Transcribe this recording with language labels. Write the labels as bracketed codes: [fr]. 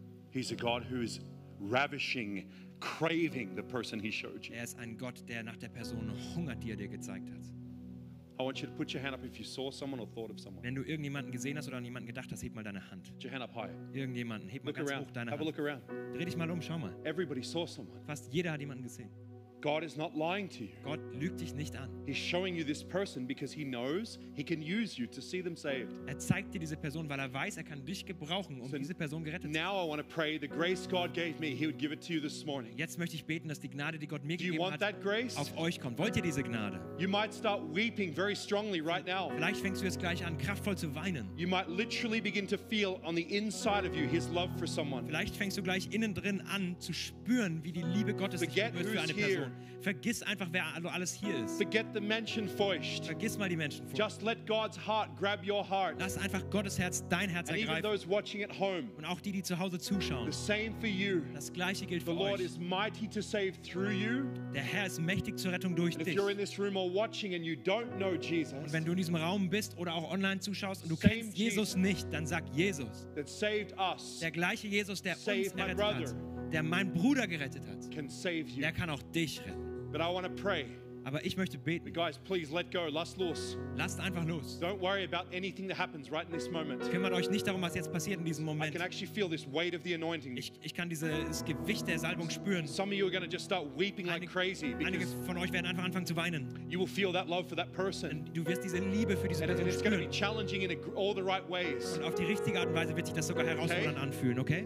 [en] He's a God who is ravishing, craving the person he showed you. [de] Er ist ein Gott, der nach der Person hungert, die er dir gezeigt hat. [en] I want you to put your hand up if you saw someone or thought of someone. [de] Wenn du irgendjemanden gesehen hast oder an jemanden gedacht hast, heb mal deine Hand. [en] Put your hand up high. [de] Irgendjemanden, heb mal ganz hoch deine Hand. [en] Have a look around. [de] Dreh dich mal um, schau mal. [en] Everybody saw someone. [de] Fast jeder hat jemanden gesehen. [en] God is not lying to you. [de] Gott lügt dich nicht an. [en] He's showing you this person because he knows he can use you to see them saved. [de] Er zeigt dir diese Person, weil er weiß, er kann dich gebrauchen, um diese Person gerettet zu haben. [en] Now I want to pray the grace God gave me, he would give it to you this morning. [de] Jetzt möchte ich beten, dass die Gnade, die Gott mir gegeben hat, auf euch kommt. Wollt ihr diese Gnade? [en] You might start weeping very strongly right now. [de] Vielleicht fängst du jetzt gleich an, kraftvoll zu weinen. [en] You might literally begin to feel on the inside of you his love for someone. [de] Vielleicht fängst du gleich innen drin an zu spüren, wie die Liebe Gottes dich berührt für eine Person. Vergiss einfach, wer alles hier ist. [en] Forget the [de] Menschen feucht. Vergiss mal die Menschen feucht. [en] Just let God's heart grab your heart. [de] Lass einfach Gottes Herz dein Herz [en] and [de] ergreifen. [en] Even those watching at home. [de] Und auch die, die zu Hause zuschauen. [en] The same for you. [de] Das gleiche gilt [en] the [de] für [en] Lord [de] euch. [en] Is mighty to save through you. [de] Der Herr ist mächtig zur Rettung durch [en] and [de] dich. [en] If you're in this room or watching and you don't know Jesus, [de] und wenn du in diesem Raum bist oder auch online zuschaust und du kennst Jesus, Jesus nicht, dann sag Jesus. [en] That saved us. [de] Der gleiche Jesus, der uns errettet hat. Der mein Bruder gerettet hat, [en] can save you. [de] Der kann auch dich retten. [en] But I want to pray. [de] Aber ich möchte beten. [en] Guys, please let go. [de] Lass los. Lasst einfach los. [en] Don't worry about anything that happens right in this moment. [de] Kümmert euch nicht darum, was jetzt passiert in diesem Moment. [en] I can actually feel this weight of the anointing. [de] Ich kann dieses Gewicht der Salbung spüren. [en] Some of you are going to just start weeping like crazy. [de] Einige von euch werden einfach anfangen zu weinen. [en] You will feel that love for that person. [de] Und du wirst diese Liebe für diese Person spüren. [en] It's going to be challenging in all the right ways. [de] Und auf die richtige Art und Weise wird sich das sogar herausfordernd anfühlen, okay?